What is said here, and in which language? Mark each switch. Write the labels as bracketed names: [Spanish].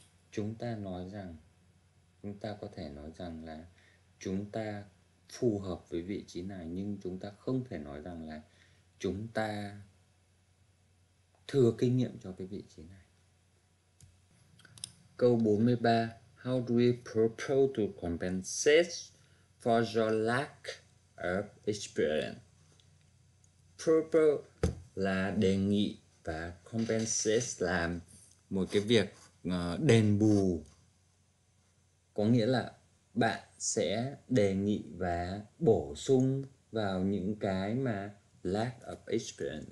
[Vietnamese] Chúng ta nói rằng chúng ta có thể nói rằng là chúng ta phù hợp với vị trí này, nhưng chúng ta không thể nói rằng là chúng ta thừa kinh nghiệm cho cái vị trí này. Câu 43, [English] how do we propose to compensate for your lack of experience? [Vietnamese] Propose là đề nghị và compensate là một cái việc đền bù. Có nghĩa là bạn sẽ đề nghị và bổ sung vào những cái mà [English] lack of experience.